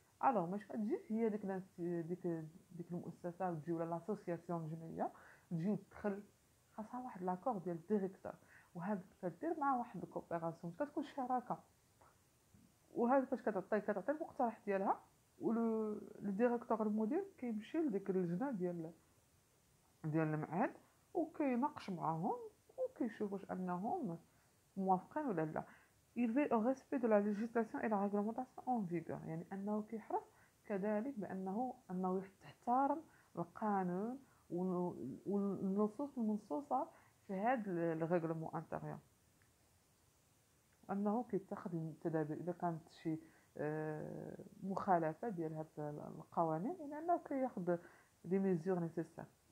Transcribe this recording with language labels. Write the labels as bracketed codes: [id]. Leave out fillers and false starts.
[ar] الو مش غتجي هي ديك المؤسسة تجي ولا لاسوسياسيون الجمعية تجي تدخل، خاصها واحد لاكور ديال الديريكتور، وهاد كدير مع واحد الكوبيراسيون كتكون شراكة، وهاد فاش كتعطي المقترح ديالها، ولو ديريكتور المدير كيمشي لديك اللجنة ديال المعهد وكيناقش معاهم وكيشوف واش انهم موافقين ولا لا. [fr] Il veille au respect de la législation et la réglementation en vigueur. [ar] يعني أنه كيحرص كذلك بأنه يحترم القانون والنصوص المنصوصة في هذا الريغلمون انتيريور، أنه كيتخذ التدابير إذا كانت شي مخالفة ديال هاد القوانين، يعني أنه كياخذ دي ميزور نيسيسار.